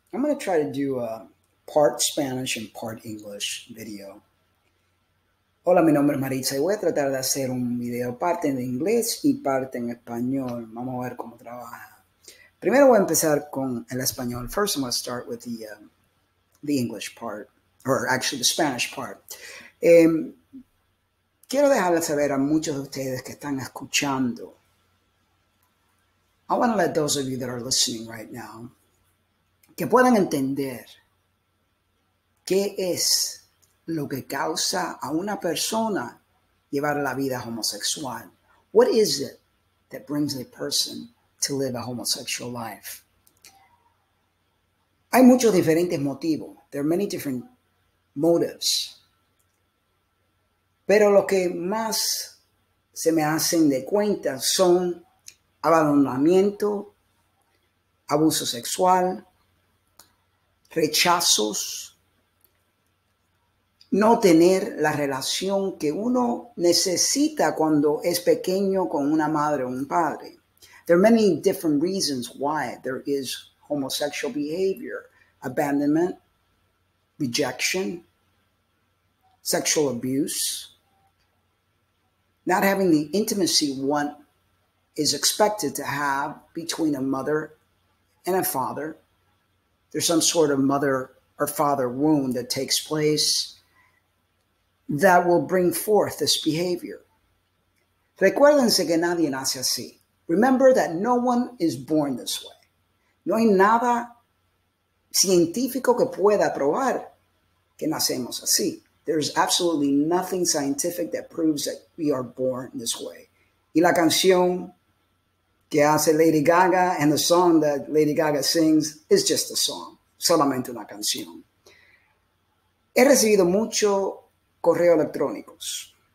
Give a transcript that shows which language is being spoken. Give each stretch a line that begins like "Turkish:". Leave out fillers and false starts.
English: I'm going to try to do a part Spanish and part English video.
Spanish: Hola, mi nombre es Maritza y voy a tratar de hacer un video parte en inglés y parte en español. Vamos a ver cómo trabaja. Primero voy a empezar con el español.
English: First, I'm going to start with the English part, or actually the Spanish part.
Spanish: Quiero dejarles saber a muchos de ustedes que están escuchando.
English: I want to let those of you that are listening right now
Spanish: que puedan entender qué es lo que causa a una persona llevar la vida homosexual.
English: What is it that brings a person to live a homosexual life?
Spanish: Hay muchos diferentes motivos.
English: There are many different motives.
Spanish: Pero lo que más se me hacen de cuenta son abandonamiento, abuso sexual, rechazos, no tener la relación que uno necesita cuando es pequeño con una madre o un padre.
English: There are many different reasons why there is homosexual behavior, abandonment, rejection, sexual abuse, not having the intimacy one is expected to have between a mother and a father. There's some sort of mother or father wound that takes place that will bring forth this behavior.
Spanish: Recuérdense que nadie nace así.
English: Remember that no one is born this way.
Spanish: No hay nada científico que pueda probar que nacemos así.
English: There's absolutely nothing scientific that proves that we are born this way.
Spanish: Y la canción que hace Lady Gaga,
English: and the song that Lady Gaga sings is just a song,
Spanish: solamente una canción. He recibido muchos correos electrónicos.